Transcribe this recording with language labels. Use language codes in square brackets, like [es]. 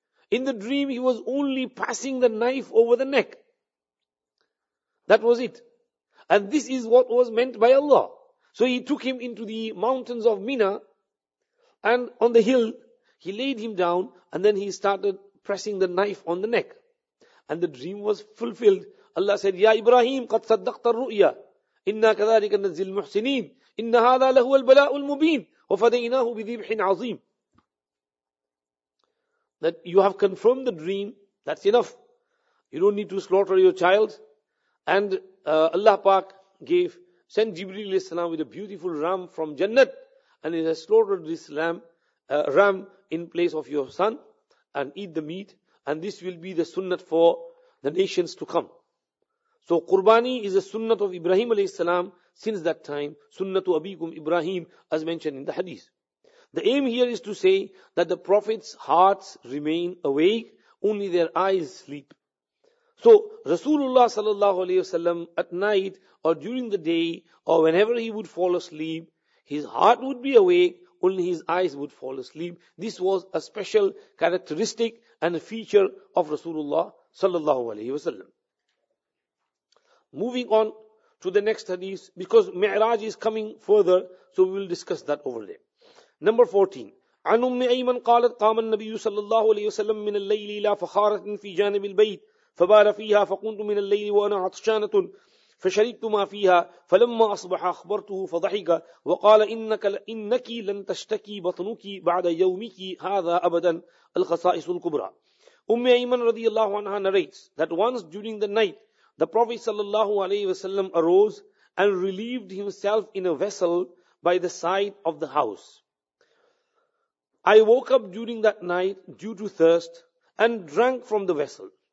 [en] In the dream he was only passing the knife over the neck. That was it. And this is what was meant by Allah. So he took him into the mountains of Mina, and on the hill he laid him down and then he started pressing the knife on the neck. And the dream was fulfilled. Allah said, [ar] Ya Ibrahim, قَدْ صَدَّقْتَ الرُّؤْيَا إِنَّا كَذَلِكَ نَزِّي الْمُحْسِنِينَ إن هذا له البلاء المبين وفديناه بذبح عظيم. [en] That you have confirmed the dream, that's enough. You don't need to slaughter your child. And Allah Pak gave sent Jibreel alayhi salam with a beautiful ram from Jannat, and he has slaughtered this ram in place of your son, and eat the meat, and this will be the sunnat for the nations to come. So Qurbani is a sunnat of Ibrahim alayhi salam since that time, sunnatu abikum Ibrahim, as mentioned in the hadith. The aim here is to say that the Prophet's hearts remain awake, only their eyes sleep. So Rasulullah sallallahu alayhi wasallam at night or during the day or whenever he would fall asleep, his heart would be awake, only his eyes would fall asleep. This was a special characteristic and a feature of Rasulullah sallallahu alayhi wasallam. Moving on to the next hadith, because Mi'raj is coming further, so we will discuss that over there. Number 14. [ar] عن أم أيمن قالت قام النبي صلى الله عليه وسلم من الليل إلى فخارة في جانب البيت فبار فيها فقمت من الليل وأنا عطشانة فشربت ما فيها فلما أصبح أخبرته فضحك وقال إنك لن تشتكي بطنك بعد يومك هذا أبدا الخصائص الكبرى. [en] أم أيمن رضي الله عنها narrates that once during the night the Prophet صلى الله عليه وسلم arose and relieved himself in a vessel by the side of the house. I woke up during that night due to thirst and drank from the vessel.